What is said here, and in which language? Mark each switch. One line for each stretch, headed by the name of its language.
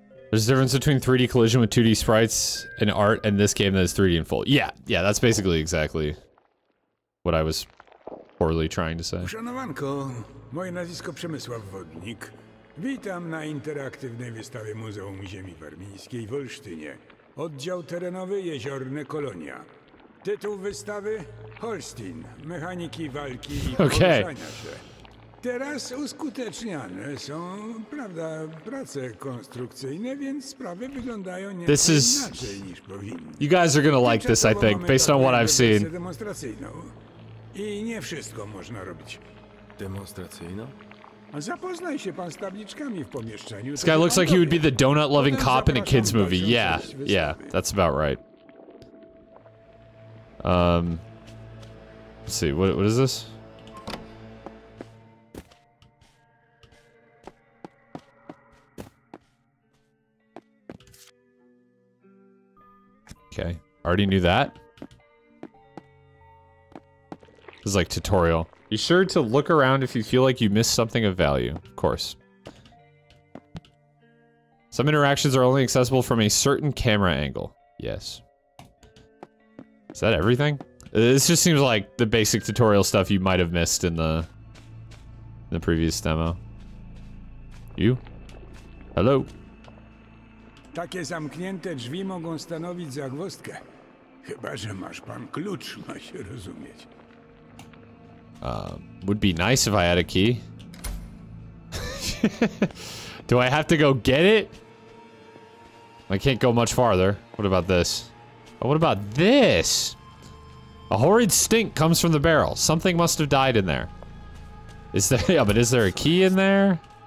English: There's a difference between 3D collision with 2D sprites and art and this game that is 3D in full. Yeah, yeah, that's basically exactly... what I was poorly trying to say.
Polish: Uszanowanko, moje nazwisko Przemysław Wodnik. Witam na interaktywnej wystawie Muzeum Ziemi Warmińskiej w Olsztynie. Oddział terenowy Jeziorne Kolonia. Tytuł wystawy Holstin. Mechaniki walki i poruszania się. Teraz uskuteczniane są, prawda, prace konstrukcyjne, więc sprawy wyglądają nieco inaczej niż powinny.
English: You guys are gonna like this, I think, based on what I've seen.
Polish: Demonstracyjną. I nie wszystko można robić. Demonstracyjną? A zapoznaj się pan z tabliczkami w pomieszczeniu.
English: This guy looks like he would be the donut-loving cop in a kid's movie. Yeah, yeah, that's about right. Let's see, what is this? Okay. Already knew that. This is like tutorial. Be sure to look around if you feel like you missed something of value. Of course. Some interactions are only accessible from a certain camera angle. Yes. Is that everything? This just seems like the basic tutorial stuff you might have missed in the previous demo. You? Hello?
Polish: Takie zamknięte drzwi mogą stanowić zagwozdkę. Chyba, że masz pan klucz, ma się rozumieć.
English: Would be nice if I had a key. Do I have to go get it? I can't go much farther. What about this? Oh, what about this? A horrid stink comes from the barrel. Something must have died in there. Is there a key in there?